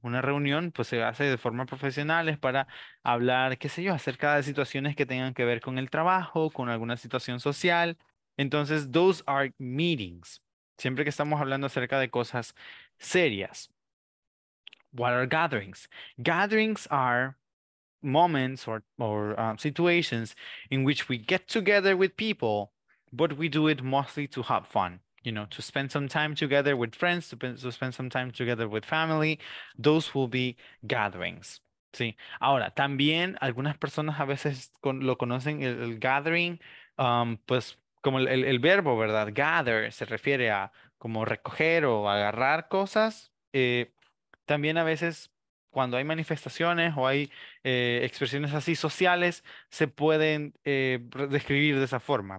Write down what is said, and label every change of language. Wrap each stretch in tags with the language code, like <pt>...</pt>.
<es>Una reunión, pues, se hace de forma profesional, es para hablar, qué sé yo, acerca de situaciones que tengan que ver con el trabajo, con alguna situación social. Entonces,</es> <en>those are meetings.</en> <es>Siempre que estamos hablando acerca de cosas serias.</es> <en>What are gatherings? Gatherings are moments or situations in which we get together with people, but we do it mostly to have fun. you know, to spend some time together with friends, to spend some time together with family, those will be gatherings.</en> <es>Sí. Ahora, también algunas personas a veces lo conocen el gathering, pues como el verbo, ¿verdad? Gather se refiere a como recoger o agarrar cosas. También a veces cuando hay manifestaciones o hay expresiones así sociales, se pueden describir de esa forma.</es>